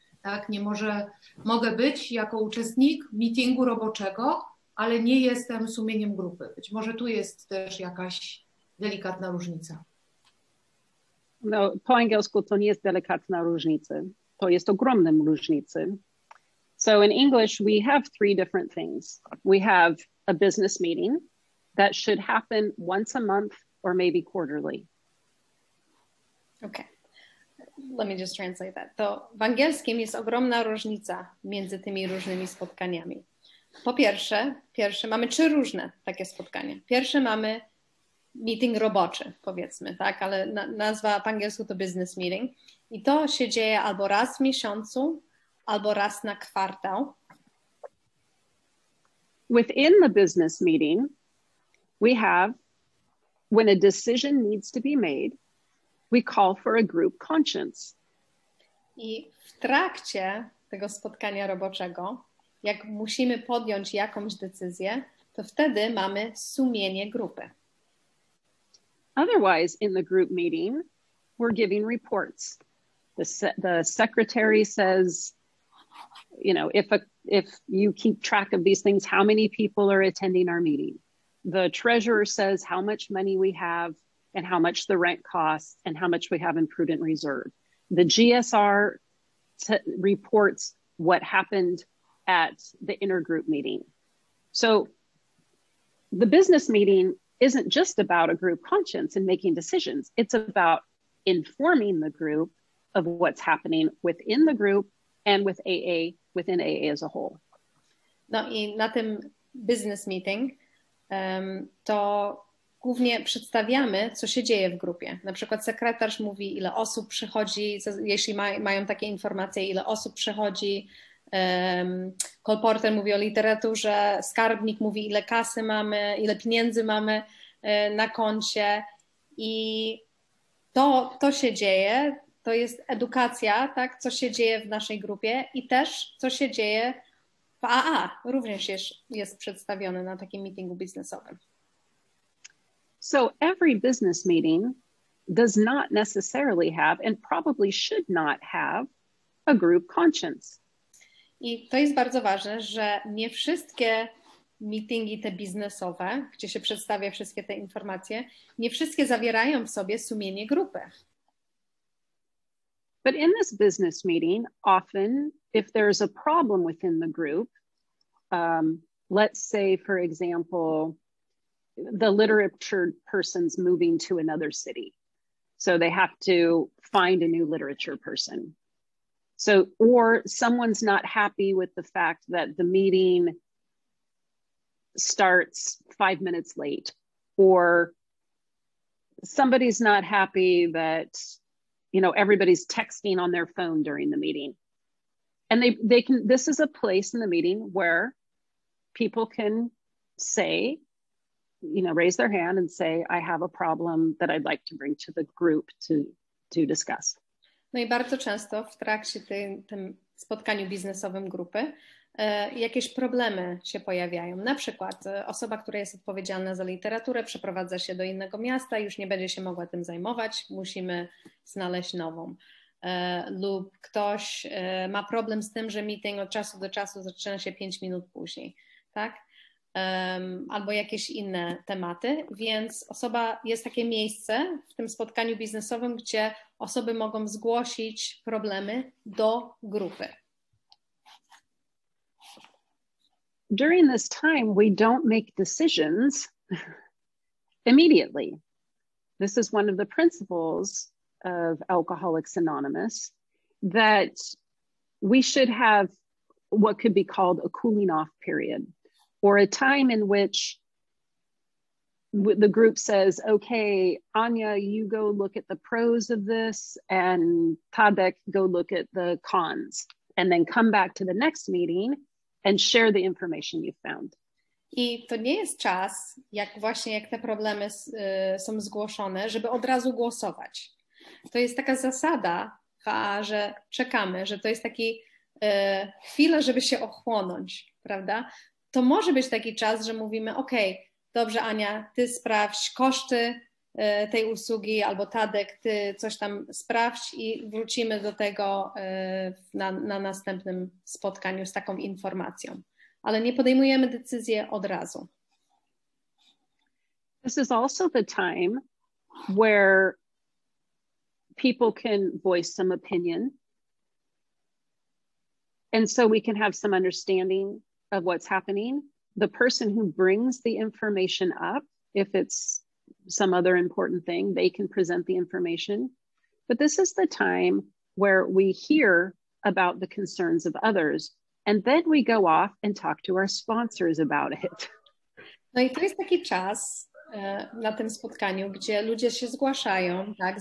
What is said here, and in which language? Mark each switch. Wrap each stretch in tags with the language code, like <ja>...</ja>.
<pl>Tak, nie może, mogę być jako uczestnik meetingu roboczego, ale nie jestem sumieniem grupy. Być może tu jest też jakaś delikatna różnica. No, po angielsku to nie jest delikatna różnica. To jest ogromna różnica.</pl> <en>So in English we have three different things. We have a business meeting that should happen once a month or maybe quarterly. Okay. Let me just translate that.</en> <pl>To w angielskim jest ogromna różnica między tymi różnymi spotkaniami. Po pierwsze, mamy trzy różne takie spotkania. Pierwsze mamy meeting roboczy, powiedzmy, tak, ale nazwa po angielsku to business meeting. I to się dzieje albo raz w miesiącu, albo raz na kwartał.</pl> <en>Within the business meeting, we have, when a decision needs to be made, we call for a group conscience.</en> <pl>I w trakcie tego spotkania roboczego, jak musimy podjąć jakąś decyzję, to wtedy mamy sumienie grupy.</pl> <en>Otherwise, in the group meeting, we're giving reports. The secretary says, you know, if you keep track of these things, how many people are attending our meeting? The treasurer says how much money we have, and how much the rent costs, and how much we have in prudent reserve. The GSR reports what happened at the intergroup meeting. So the business meeting isn't just about a group conscience and making decisions. It's about informing the group of what's happening within the group and with AA, within AA as a whole.</en> <pl>No i na tym business meeting to głównie przedstawiamy, co się dzieje w grupie. Na przykład sekretarz mówi, ile osób przychodzi, jeśli mają takie informacje, ile osób przychodzi, Kolporter mówi o literaturze, skarbnik mówi, ile kasy mamy, ile pieniędzy mamy na koncie. I to się dzieje, to jest edukacja, tak, co się dzieje w naszej grupie i też co się dzieje w AA, również jest przedstawione na takim meetingu biznesowym.</pl> <en>So every business meeting does not necessarily have and probably should not have a group conscience.</en> <pl>I to jest bardzo ważne, że nie wszystkie meetingi te biznesowe, gdzie się przedstawia wszystkie te informacje, nie wszystkie zawierają w sobie sumienie grupy.</pl> <en>But in this business meeting, often if there is a problem within the group, let's say for example, the literature person's moving to another city. So they have to find a new literature person. So, or someone's not happy with the fact that the meeting starts 5 minutes late, or somebody's not happy that, you know, everybody's texting on their phone during the meeting. And they can, this is a place in the meeting where people can say, you know, raise their hand and say, I have a problem that I'd like to bring to the group to discuss.</en> <pl>No i bardzo często w trakcie tym spotkaniu biznesowym grupy jakieś problemy się pojawiają. Na przykład osoba, która jest odpowiedzialna za literaturę, przeprowadza się do innego miasta, już nie będzie się mogła tym zajmować, musimy znaleźć nową. Lub ktoś ma problem z tym, że meeting od czasu do czasu zaczyna się 5 minut później, tak? Albo jakieś inne tematy, więc osoba, jest takie miejsce w tym spotkaniu biznesowym, gdzie osoby mogą zgłosić problemy do grupy.</pl> <en>During this time, we don't make decisions immediately. This is one of the principles of Alcoholics Anonymous, that we should have what could be called a cooling off period. Or a time in which the group says, okay, Anya, you go look at the pros of this and Tadek, go look at the cons and then come back to the next meeting and share the information you found.</en> <pl>I to nie jest czas, jak właśnie jak te problemy są zgłoszone, żeby od razu głosować. To jest taka zasada, że czekamy, że to jest taki chwila, żeby się ochłonąć, prawda? To może być taki czas, że mówimy, ok, dobrze Ania, ty sprawdź koszty tej usługi albo Tadek, ty coś tam sprawdź i wrócimy do tego na następnym spotkaniu z taką informacją. Ale nie podejmujemy decyzji od razu.</pl> <en>This is also the time where people can voice some opinion and so we can have some understanding of what's happening. The person who brings the information up, if it's some other important thing, they can present the information. But this is the time where we hear about the concerns of others, and then we go off and talk to our sponsors about it.</en> <pl>No i to jest taki czas na tym spotkaniu, gdzie ludzie się zgłaszają, tak?</pl>